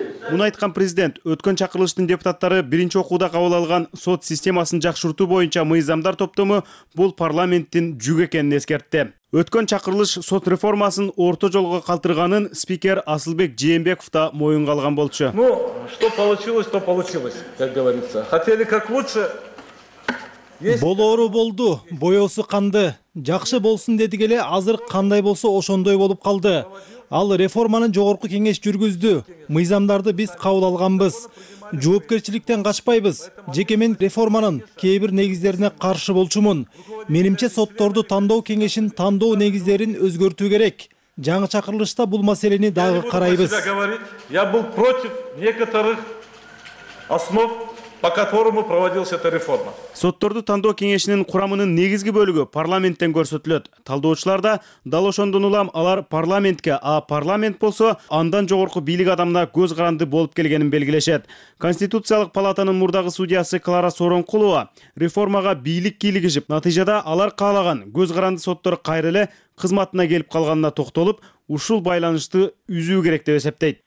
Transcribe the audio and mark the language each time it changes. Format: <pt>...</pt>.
<ky>Муну айткан президент өткөн чакырылыштын депутаттары биринчи окууда кабыл алган сот системасын жакшыртуу боюнча мыйзамдар топтому бул парламенттин жүгү экенин эскертти. Өткөн чакырылыш сот реформасын орто жолго калтырганын спикер Асылбек Жээнбеков да моюнга алган болчу.</ky> <ru>Ну что получилось, то получилось, как говорится. Хотели как лучше.</ru> <ky>Болоору болду, боеусу канды. Жакшы болсун дедик эле азыр кандай болсо ошондой болуп калды. Ал реформаны жогорку кеңеш жүргүздү. Мыйзамдарды биз кабыл алганбыз. Жоопкерчиликтен качпайбыз. Жеке мен реформанын кээ бир негиздерине каршы болчумун. Менимче сотторду тандоо кеңешин тандоо негиздерин өзгөртүү керек. Жаңы чакырылышта бул маселени дагы карайбыз.</ky> <ru>Я был против некоторых основ, по которому проводилась эта реформа.</ru> <ky>Сотторду тандоо кеңешинин курамынын негизги бөлүгү парламенттен көрсөтүлөт. Талдоочулар да дал ошондон улам алар парламентке, а парламент болсо андан жогорку бийлик адамына көз каранды болуп келгенин белгилешет. Конституциялык палатанын мурдагы судьясы Клара Соронкулова реформага бийлик кийлигишип, натыйжада алар каалаган көз каранды соттор кайра эле кызматына келип калганына токтолуп, ушул байланышты үзүү керек деп эсептейт.</ky>